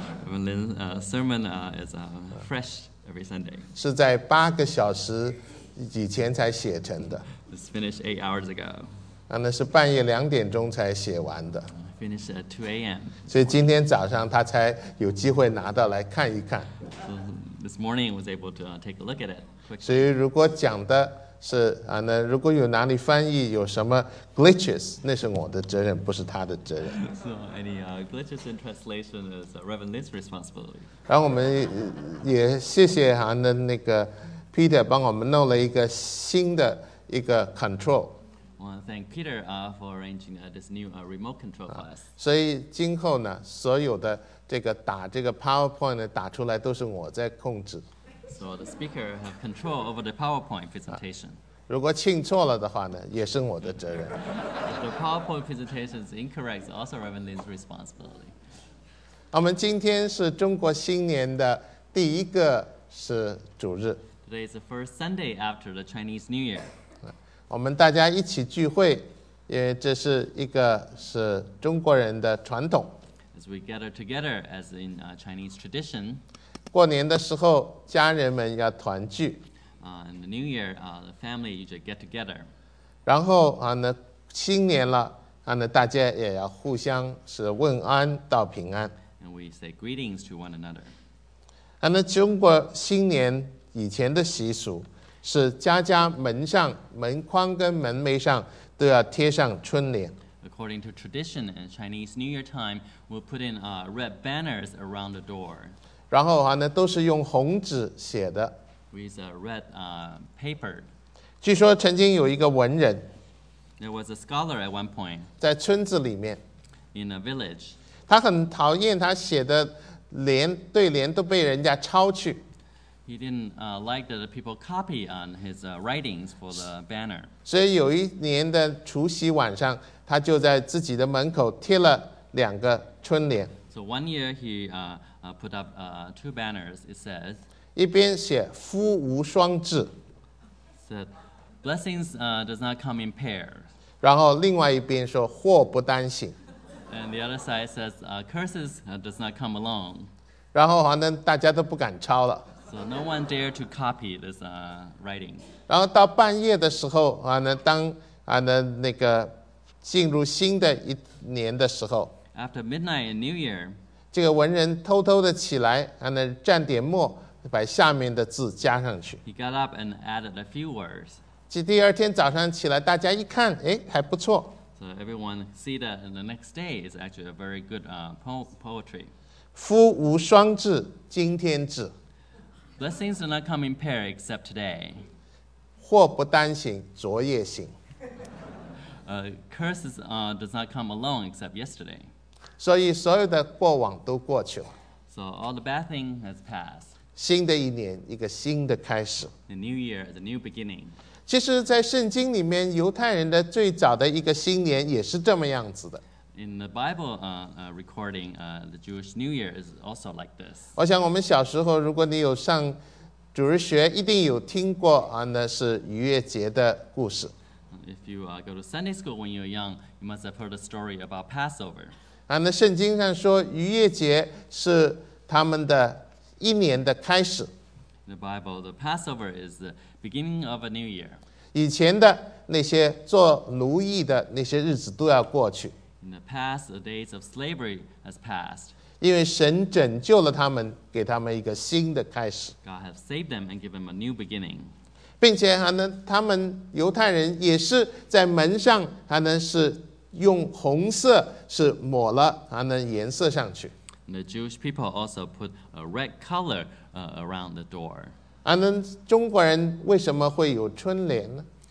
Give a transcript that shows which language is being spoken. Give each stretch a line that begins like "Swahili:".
English: And then sermon is fresh every Sunday.
Chinese: 是在八个小时以前才写成的。
English: It's finished 8 hours ago.
Chinese: 那是半夜两点钟才写完的。
English: Finished at 2 a.m.
Chinese: 所以今天早上他才有机会拿到来看一看。
English: This morning was able to take a look at it.
Chinese: 所以如果讲的是那如果有哪里翻译有什么 glitches， 那是我的责任，不是他的责任。
English: So any glitches in translation is Reverend Lin's responsibility.
Chinese: 然后我们也谢谢那个 Peter 帮我们弄了一个新的一个 control.
English: Well, thank Peter for arranging this new remote control for us.
Chinese: 所以今后呢，所有的这个打这个 PowerPoint 打出来都是我在控制。
English: So the speaker have control over the PowerPoint presentation.
Chinese: 如果请错了的话呢，也是我的责任。
English: If the PowerPoint presentation is incorrect, it's also Reverend Lin's responsibility.
Chinese: 我们今天是中国新年的第一个是主日。
English: Today is the first Sunday after the Chinese New Year.
Chinese: 我们大家一起聚会，因为这是一个是中国人的传统。
English: As we gather together, as in Chinese tradition.
Chinese: 过年的时候，家人们要团聚。
English: In the New Year, the family usually get together.
Chinese: 然后那新年了，那大家也要互相是问安道平安。
English: And we say greetings to one another.
Chinese: 那中国新年以前的习俗是家家门上门框跟门楣上都要贴上春联。
English: According to tradition, in Chinese New Year time, we'll put in red banners around the door.
Chinese: 然后那都是用红纸写的。
English: With a red paper.
Chinese: 据说曾经有一个文人。
English: There was a scholar at one point.
Chinese: 在村子里面。
English: In a village.
Chinese: 他很讨厌他写的联对联都被人家抄去。
English: He didn't like that the people copy on his writings for the banner.
Chinese: 所以有一年的除夕晚上，他就在自己的门口贴了两个春联。
English: So one year he put up two banners. It says,
Chinese: 一边写夫无双至
English: said, blessings does not come in pairs.
Chinese: 然后另外一边说祸不单行
English: And the other side says, curses does not come alone.
Chinese: 然后大家都不敢抄了
English: So no one dared to copy this writing.
Chinese: 然后到半夜的时候当那个进入新的一年的时候
English: After midnight in New Year,
Chinese: 这个文人偷偷的起来，蘸点墨，把下面的字加上去。
English: He got up and added a few words.
Chinese: 第二天早上起来，大家一看，还不错。
English: So everyone see that the next day is actually a very good poetry.
Chinese: 夫无双至，今天至。
English: Blessings do not come in pair except today.
Chinese: 祸不单行，昨夜行。
English: Curses does not come alone except yesterday.
Chinese: 所以所有的过往都过去了。
English: So all the bad thing has passed.
Chinese: 新的一年，一个新的开始。
English: The new year, the new beginning.
Chinese: 其实在圣经里面，犹太人的最早的一个新年也是这么样子的。
English: In the Bible recording, the Jewish New Year is also like this.
Chinese: 我想我们小时候，如果你有上主日学，一定有听过啊，那是逾越节的故事。
English: If you go to Sunday school when you're young, you must have heard a story about Passover.
Chinese: 啊，那圣经上说逾越节是他们的一年的开始。
English: In the Bible, the Passover is the beginning of a new year.
Chinese: 以前的那些做奴役的那些日子都要过去。
English: In the past, the days of slavery has passed.
Chinese: 因为神拯救了他们，给他们一个新的开始。
English: God has saved them and given them a new beginning.
Chinese: 并且还能，他们犹太人也是在门上还能是用红色是抹了还能颜色上去。
English: And、the Jewish people also put a red color around the door.
Chinese: 还能中国人为什么会有春联呢？